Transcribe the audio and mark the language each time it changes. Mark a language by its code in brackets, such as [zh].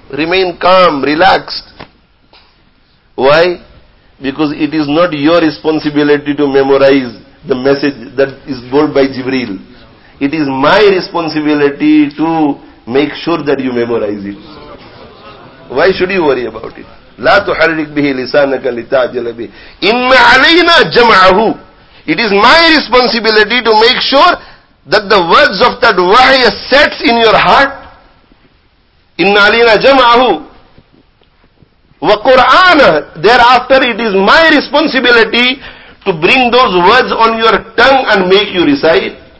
[en] Remain calm, relaxed. Why? Because it is not your responsibility to memorize the message that is told by Jibreel. It is my responsibility to make sure that you memorize it. Why should you worry about it? [ar] لا تحرك به لسانك لتعجل به إن علينا جمعه. [en] It is my responsibility to make sure that the words of that wahy sets in your heart. [ar] إن علينا جمعه وقرآن. [en] Thereafter it is my responsibility to bring those words on your tongue and make you recite.